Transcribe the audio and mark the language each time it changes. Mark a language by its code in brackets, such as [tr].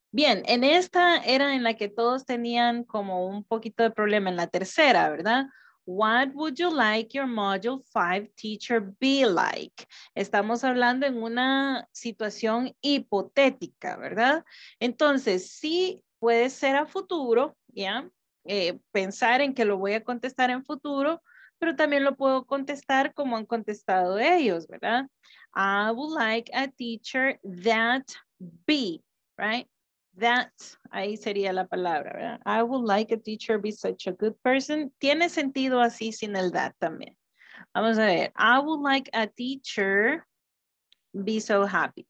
[es] Bien, en esta era en la que todos tenían como un poquito de problema en la tercera, ¿verdad? [en] What would you like your module 5 teacher be like? [es] Estamos hablando en una situación hipotética, ¿verdad? Entonces, sí puede ser a futuro, ¿ya? Pensar en que lo voy a contestar en futuro, pero también lo puedo contestar como han contestado ellos, ¿verdad? [en] I would like a teacher that be, right? That, [es] ahí sería la palabra, ¿verdad? [en] I would like a teacher be such a good person. [es] Tiene sentido así sin el that también. Vamos a ver. [en] I would like a teacher be so happy.